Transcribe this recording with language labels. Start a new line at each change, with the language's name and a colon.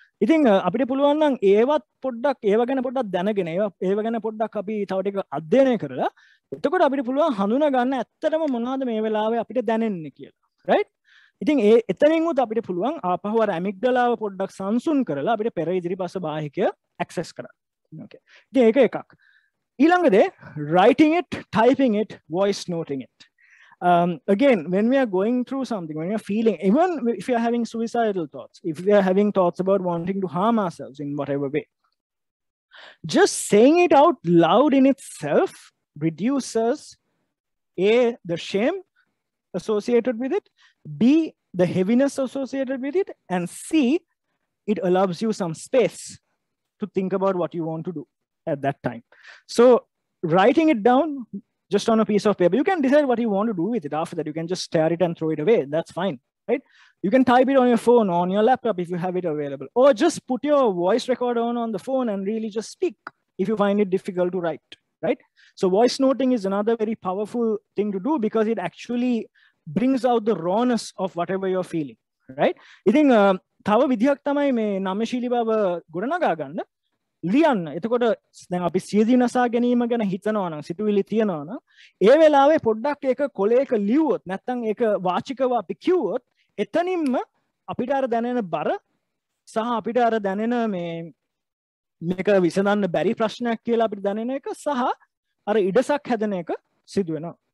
Sinhala: ඉතින් අපිට පුළුවන් නම් ඒවත් පොඩ්ඩක් ඒව ගැන පොඩ්ඩක් දැනගෙන ඒව ගැන පොඩ්ඩක් අපි තව ටික අධ්‍යයනය කරලා එතකොට අපිට පුළුවන් හඳුනා ගන්න ඇත්තටම මොනවාද මේ වෙලාවේ අපිට දැනෙන්නේ කියලා, right? ඉතින් ඒ එතනින් උත් අපිට පුළුවන් ආපහු අර ඇමිග්ඩලාව පොඩ්ඩක් සංසුන් කරලා අපිට පෙර ඉදිරිපස බාහිකය ඇක්සස් කරන්න. ඕකේ. ඉතින් ඒක එකක්. ඊළඟ දේ
English: writing it, typing it, voice noting it. Again, when we are going through something, when we are feeling, even if you are having suicidal thoughts, if we are having thoughts about wanting to harm ourselves in whatever way, just saying it out loud in itself reduces A, the shame associated with it, B, the heaviness associated with it, and C, it allows you some space to think about what you want to do at that time. So writing it down just on a piece of paper, you can decide what you want to do with it after that. You can just stare it and throw it away, that's fine, right? You can type it on your phone or on your laptop if you have it available, or just put your voice recorder on the phone and really just speak if you find it difficult to write, right? So voice noting is another very powerful thing to do, because it actually brings out the rawness of whatever you're feeling, right? I think
Sinhala: thawa vidhyak tamai me name shilibawa godanaga ganna ලියන්න. එතකොට දැන් අපි සිය දිනසා ගැනීම ගැන හිතනවා නම්, සිතුවිලි තියනවා නම්, ඒ වෙලාවේ පොඩ්ඩක් ඒක කොලේක ලිව්වොත්, නැත්නම් ඒක වාචිකව අපි කිව්වොත්, එතනින්ම අපිට අර දැනෙන බර සහ අපිට අර දැනෙන මේ මේක විසඳන්න බැරි ප්‍රශ්නයක් කියලා අපිට දැනෙන එක සහ අර ඉඩසක් හැදෙන එක සිදු වෙනවා.